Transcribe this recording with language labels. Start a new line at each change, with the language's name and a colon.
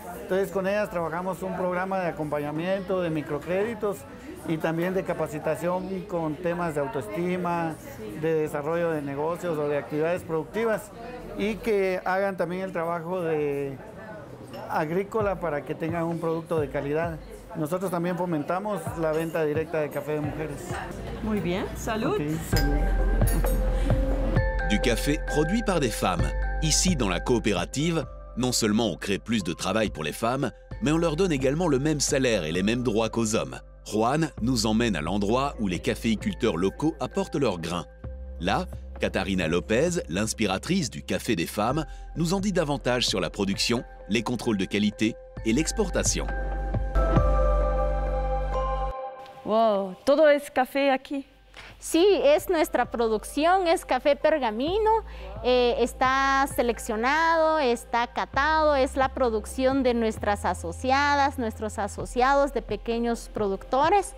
Spanish: Entonces con ellas trabajamos un programa de acompañamiento, de microcréditos y también de capacitación con temas de autoestima, de desarrollo de negocios o de actividades productivas y que hagan también el trabajo de agrícola para que tengan un producto de calidad. Nosotros también fomentamos la venta directa de café de mujeres. Muy bien, salud. Okay, salud.
French: Du café produit par des femmes. Ici, dans la coopérative, non seulement on crée plus de travail pour les femmes, mais on leur donne également le même salaire et les mêmes droits qu'aux hommes. Juan nous emmène à l'endroit où les caféiculteurs locaux apportent leurs grains. Là, Catarina Lopez, l'inspiratrice du café des femmes, nous en dit davantage sur la production, les contrôles de qualité et l'exportation.
Spanish: Wow, todo es café aquí. Sí, es nuestra producción, es café pergamino, está seleccionado, está catado, es la producción de nuestras asociadas, nuestros asociados de pequeños productores.